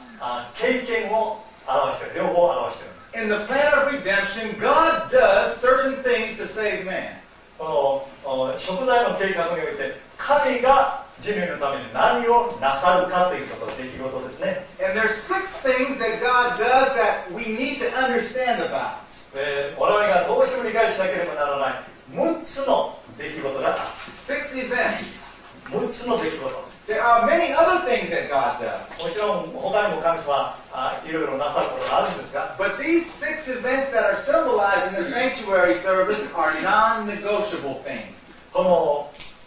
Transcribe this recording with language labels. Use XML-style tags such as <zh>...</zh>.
<ja>それは神様から人類のためになされた出来事と、それから経験を表している、両方表しています。</ja> <en>In the plan of redemption, God does certain things to save man.</en> <ja>この食材の計画において神が人類のために何をなさるかということ、出来事ですね。</ja> <en>And there are six things that God does that we need to understand about.</en> <ja>我々がどうしても理解しなければならない 6つの出来事があった。</ja> <en>Six events.</en> <ja>6つの出来事。</ja> <en>There are many other things that God does.</en> <ja>もちろん他にも神様、いろいろなさることがあるんですが。</ja> <en>But these six events that are symbolized in the sanctuary service are non-negotiable things.</en>